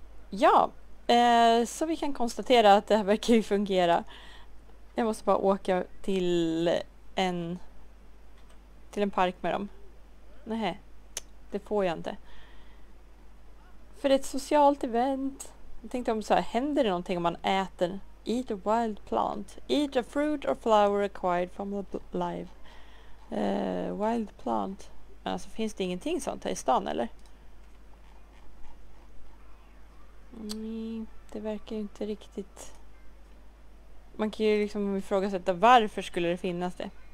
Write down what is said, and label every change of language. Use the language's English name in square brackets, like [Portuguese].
[Swedish] Ja, så vi kan konstatera att det här verkar ju fungera. Jag måste bara åka till en park med dem. Nej, det får jag inte. För ett socialt event. Jag tänkte om så här, händer det någonting om man äter? [English] Eat a wild plant. Eat a fruit or flower acquired from the live. Wild plant. [Swedish] Alltså finns det ingenting sånt här i stan, eller? det verkar ju inte riktigt. Man kan ju liksom ifrågasätta varför skulle det finnas det.